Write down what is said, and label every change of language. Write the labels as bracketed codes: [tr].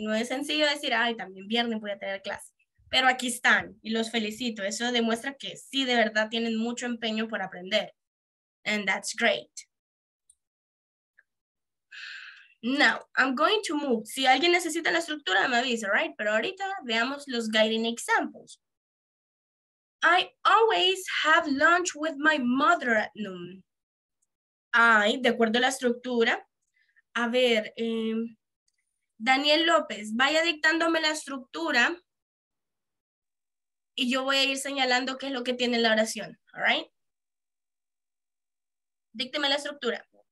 [es] No es sencillo decir, ay, también viernes voy a tener clase. Pero aquí están y los felicito. Eso demuestra que sí, de verdad, tienen mucho empeño por aprender. [en] And that's great. Now, I'm going to move. [es] Si alguien necesita la estructura, me avisa, right? Pero ahorita veamos los [en] guiding examples. I always have lunch with my mother at noon. [es] Ay, de acuerdo a la estructura. A ver, Daniel López, vaya dictándome la estructura y yo voy a ir señalando qué es lo que tiene la oración, all right? Dícteme la estructura.